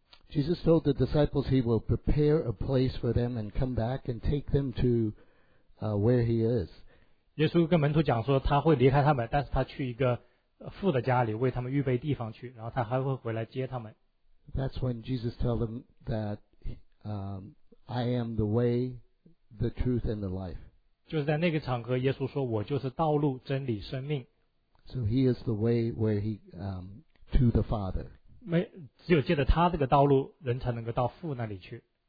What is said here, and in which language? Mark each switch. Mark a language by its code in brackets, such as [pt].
[en] Jesus told the disciples he will prepare a place for them and come back and take them to where he is. [zh] 耶稣跟门徒讲说他会离开他们，但是他去一个父的家里为他们预备地方去，然后他还会回来接他们。 [en] That's when Jesus told them that I am the way, the truth, and the life. [zh] 就是在那个场合耶稣说我就是道路真理生命。 [en] So he is the way where he to the Father. [zh] 只有借着他这个道路人才能够到父那里去。